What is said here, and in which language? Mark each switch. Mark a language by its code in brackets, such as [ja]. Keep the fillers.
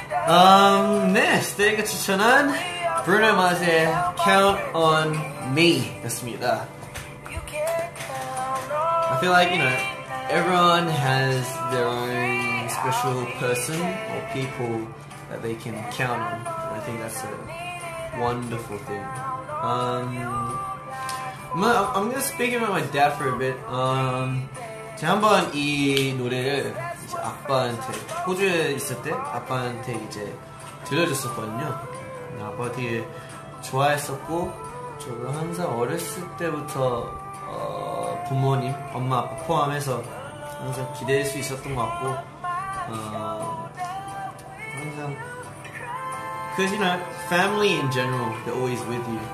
[ko] Um, 네, 스테이크 추천한 브루노 마스의 Count on Me였습니다. [en] I feel like, you know, everyone has their own special person or people that they can count on. And I think that's a wonderful thing. Um, I'm- I'm gonna speak about my dad for a bit. [ko] Um, 제가 한번 이 노래를 이제 아빠한테 호주에 있을 때 아빠한테 이제 들려줬었거든요. 근데 아빠가 되게 좋아했었고 저도 항상 어렸을 때부터 어, 부모님, 엄마, 아빠 포함해서 항상 기대할 수 있었던 것 같고 어, 항상 [en] Because you know, family in general, they're always with you.